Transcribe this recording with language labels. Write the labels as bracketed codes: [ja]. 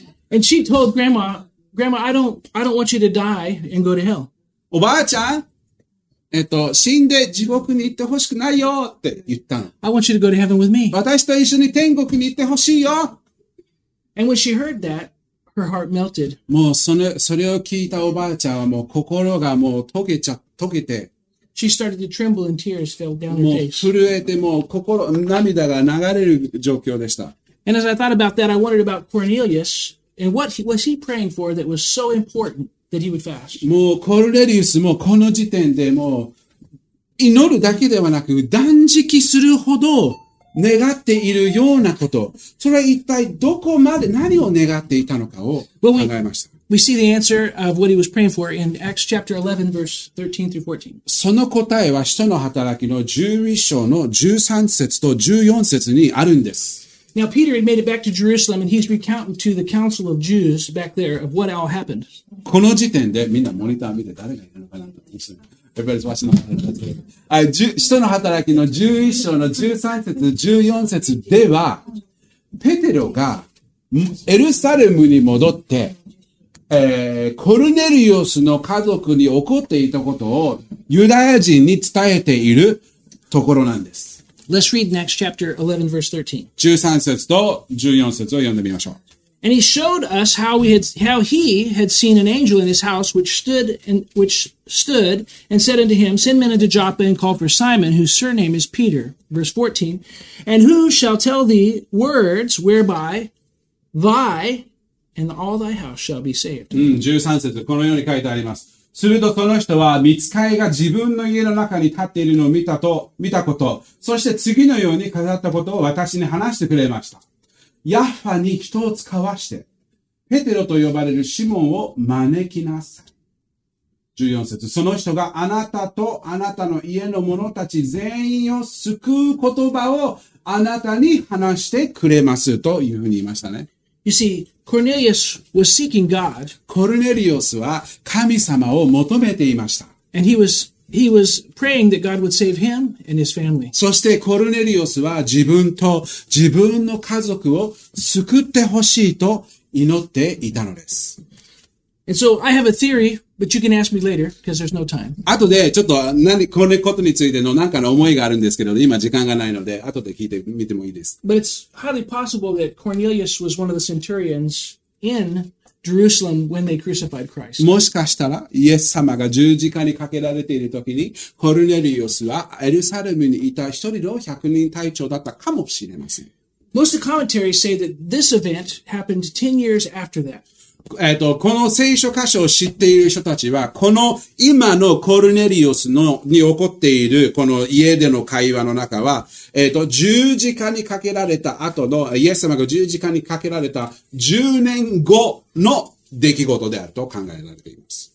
[en] And she told Grandma, I don't want you to die and go to hell. [ja] おばあちゃん、死んで地獄に行ってほしくないよって言ったの。 [en] I want you to go to heaven with me. [ja] 私と一緒に天国に行ってほしいよ。 [en] And when she heard that, her heart melted. [ja] もうそれを聞いたおばあちゃんはもう心がもう溶けて。 [en] She started to tremble and tears fell down her face. [ja] もう震えてもう心、涙が流れる状況でした。 [en] And as I thought about that, I wondered about Cornelius and what was he praying for that was so important that he would fast. [ja] もうコルネリウスもこの時点でもう祈るだけではなく断食するほど願っているようなこと。それは一体どこまで何を願っていたのかを考えました。 [en] We see the answer of what he was praying for in Acts chapter 11, verse 13 through 14. [ja] その答えは使徒の働きの11章の13節と14節にあるんです。 [en] Now Peter had made it back to Jerusalem and he's recounting to the council of Jews back there of what all happened. [ja] この時点でみんなモニター見て誰がいるのかなと。 [en] Everybody's watching the monitor. [ja] 使徒の働きの11章の13節14節ではペテロがエルサレムに戻って、コルネリオスの家族に起こっていたことをユダヤ人に伝えているところなんです。 [en] Let's read next chapter 11 verse 13. [ja] 13節と14節を読んでみましょう。 [en] And he showed us how he had seen an angel in his house which stood and said unto him, Send men unto Joppa and call for Simon, whose surname is Peter. Verse 14. And who shall tell thee words whereby thy and all thy house shall be saved? [ja] 13節このように書いてあります。するとその人は御使いが自分の家の中に立っているのを見たこと、そして次のように語ったことを私に話してくれました。ヤッファに人を使わして、ペテロと呼ばれるシモンを招きなさい。 14節、その人があなたとあなたの家の者たち全員を救う言葉をあなたに話してくれますというふうに言いましたね。 [en] You see, Cornelius was seeking God. [ja] コルネリオスは神様を求めていました。 [en] And he was praying that God would save him and his family. [ja] そしてコルネリオスは自分と自分の家族を救ってほしいと祈っていたのです。 [en] And so I have a theory, but you can ask me later because there's no time. [ja] 後でちょっと何このことについての何かの思いがあるんですけど、今時間がないので後で聞いてみてもいいです。 [en] But it's highly possible that Cornelius was one of the centurions in Jerusalem when they crucified Christ. [ja] もしかしたらイエス様が十字架にかけられている時にコルネリオスはエルサレムにいた一人の百人隊長だったかもしれません。 [en] Most of the commentaries say that this event happened 10 years after that. [ja] この聖書箇所を知っている人たちは、この今のコルネリオスのに起こっているこの家での会話の中は、十字架にかけられた後の、イエス様が十字架にかけられた10年後の出来事であると考えられています。